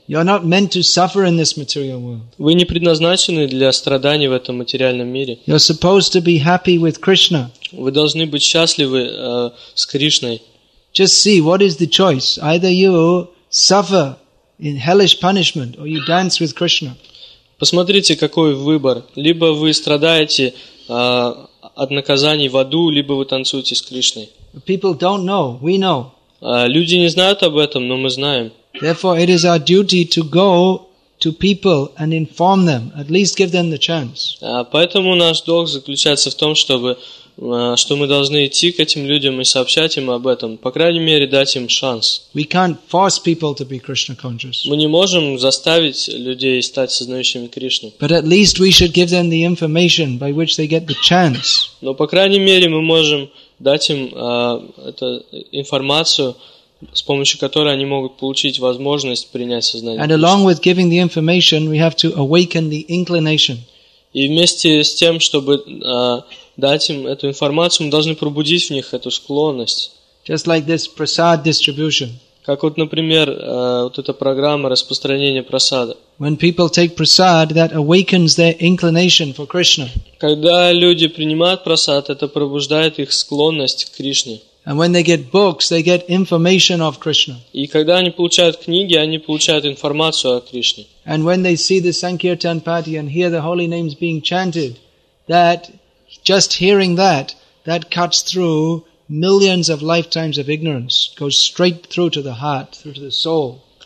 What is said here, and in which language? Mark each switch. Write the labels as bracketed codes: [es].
[en] You're not meant to suffer in this material world. [ru] Вы не предназначены для страданий в этом материальном мире. [en] You're supposed to be happy with Krishna. [ru] Вы должны быть счастливы с Кришной. [en] Just see, what is the choice? Either you suffer in hellish punishment or you dance with Krishna. [ru] Посмотрите, какой выбор. Либо вы страдаете от наказаний в аду, либо вы танцуете с Кришной. [en] People don't know, we know. [ru] Люди не знают об этом, но мы знаем. [en] Therefore, it is our duty to go to people and inform them, at least give them the chance. [ru] Поэтому наш долг заключается в том, чтобы что мы должны идти к этим людям и сообщать им об этом, по крайней мере, дать им шанс. [en] We can't force people to be Krishna conscious. [ru] Мы не можем заставить людей стать сознающими Кришну. [en] But at least we should give them the information by which they get the chance. [ru] Но, по крайней мере, мы можем дать им эту информацию, с помощью которой они могут получить возможность принять сознание. [en] And along with giving the information, we have to awaken the inclination. [ru] И вместе с тем, чтобы дать им эту информацию, мы должны пробудить в них эту склонность. [en] Just like this prasad distribution. [ru] Как вот, например, вот эта программа распространения прасада. [en] When people take prasad, that awakens their inclination for Krishna. [ru] Когда люди принимают прасад, это пробуждает их склонность к Кришне. [en] And when they get books, they get information of Krishna. [ru] И когда они получают книги, они получают информацию о Кришне. [en] And when they see the Sankirtan party and hear the holy names being chanted, that just hearing that, that cuts through millions of lifetimes of ignorance, goes straight through to the heart, through to the soul.